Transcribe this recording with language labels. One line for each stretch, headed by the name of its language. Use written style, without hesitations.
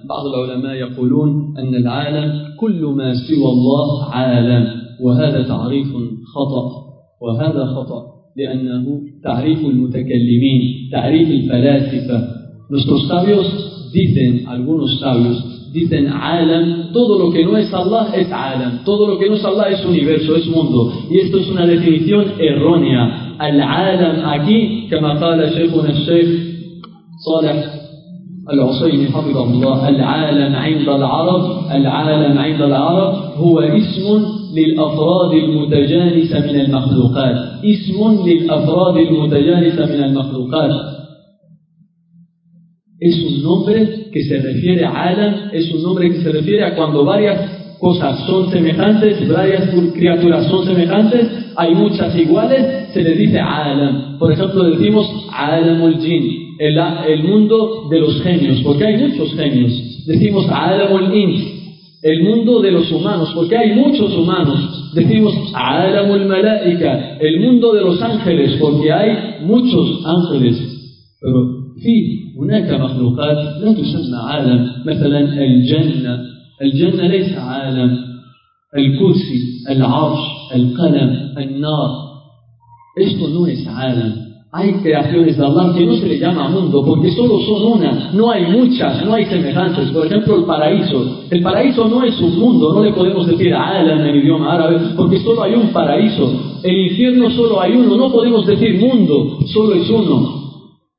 Arabic: بعض العلماء يقولون أن العالم كل ما سوى الله عالم، وهذا تعريف خطأ، وهذا خطأ، لأنه تعريف المتكلمين، تعريف الفلاسفة.
Spanish: Nuestros sabios dicen, algunos sabios dicen عالم، todo lo que no es Allah es عالم، todo lo que no es Allah es universo, es mundo. Y esto es una definición errónea.
Arabic: العالم
Spanish: aquí,
Arabic: كما قال شيخنا الشيخ صالح العصيني حفظه الله، العالم عند العرب، العالم عند العرب هو اسم للأفراد المتجانسة من المخلوقات، اسم للأفراد المتجانسة من المخلوقات.
Spanish: Es un nombre que se refiere a عالم، es un nombre que se refiere a cuando varias cosas son semejantes، varias criaturas son semejantes، hay muchas iguales، se le dice عالم. Por ejemplo decimos
Arabic: عالم الجن،
Spanish: el mundo de los genios, porque hay muchos genios. Decimos
Arabic: عالم الإنس،
Spanish: el mundo de los humanos, porque hay muchos humanos. Decimos
Arabic: عالم الملائكة،
Spanish: el mundo de los ángeles, porque hay muchos ángeles. Pero
Arabic: في هناك مخلوقات لا تسمى عالم، مثلا الجنة، الجنة ليس عالم، الكرسي، العرش، القلم، النار،
Spanish: esto no es
Arabic: عالم.
Spanish: Hay creaciones de Allah que no se le llama mundo porque solo son una, no hay muchas, no hay semejantes. Por ejemplo, el paraíso. El paraíso no es un mundo, no le podemos decir alam en idioma árabe porque solo hay un paraíso. El infierno solo hay uno, no podemos decir mundo, solo es uno.